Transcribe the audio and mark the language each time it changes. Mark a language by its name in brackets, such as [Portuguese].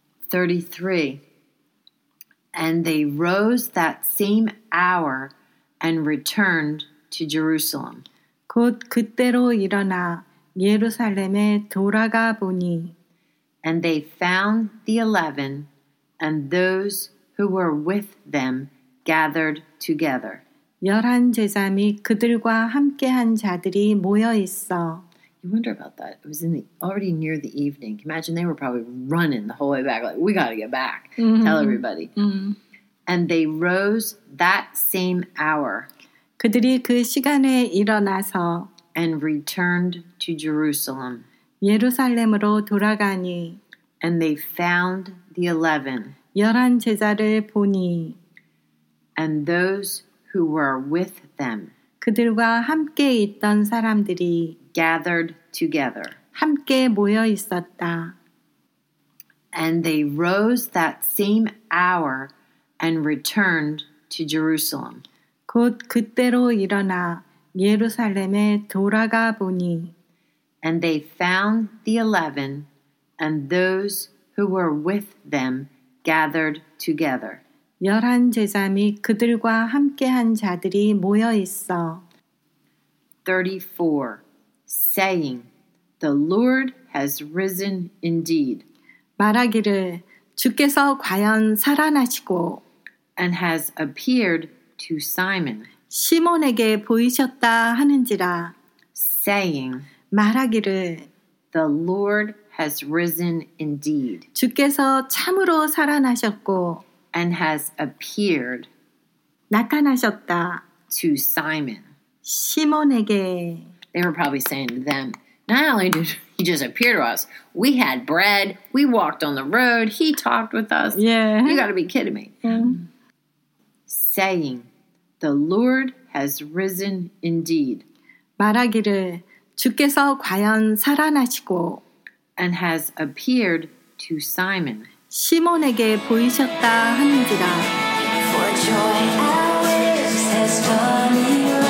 [English] 33 And they rose that same hour and returned to Jerusalem. [Korean] 곧 그때로 일어나 예루살렘에 돌아가 보니 [English] And they found the 11 and those who were with them gathered together. [Korean] 열한 제자 및 그들과 함께한 자들이 모여 있어. [English] You wonder about that. It was in the, already near the evening. Imagine they were probably running the whole way back. Like, we got to get back. Mm-hmm. Tell everybody. Mm-hmm. And they rose that same hour. [Korean] 그들이 그 시간에 일어나서 [English] and returned to Jerusalem. [Korean] 예루살렘으로 돌아가니 [English] and they found the 11. [Korean] 열한 제자를 보니 [English] and those who were with them. [Korean] 그들과 함께 있던 사람들이 [English] gathered together. [Korean] 함께 모여 있었다. [English] And they rose that same hour and returned to Jerusalem. [Korean] 곧 그때로 일어나 예루살렘에 돌아가 보니 [English] And they found the 11 and those who were with them gathered together. [Korean] 열한 제자 및 그들과 함께한 자들이 모여 있어. [English] 34 Saying, the Lord has risen indeed. [Korean] 말하기를 주께서 과연 살아나시고 [English] and has appeared to Simon. [Korean] 시몬에게 보이셨다 하는지라 [English] saying [Korean] 말하기를 [English] the Lord has risen indeed. [Korean] 주께서 참으로 살아나셨고 [English] and has appeared [Korean] 나타나셨다 [English] to Simon. [Korean] 시몬에게 [English] They were probably saying to them, not only did he just appear to us, we had bread, we walked on the road, he talked with us. Yeah. You got to be kidding me. Yeah. Saying, the Lord has risen indeed. [Korean] 말하기를, 주께서 과연 살아나시고. [English] And has appeared to Simon. [Korean] 시몬에게 보이셨다 하는지라. [English] For joy always has done me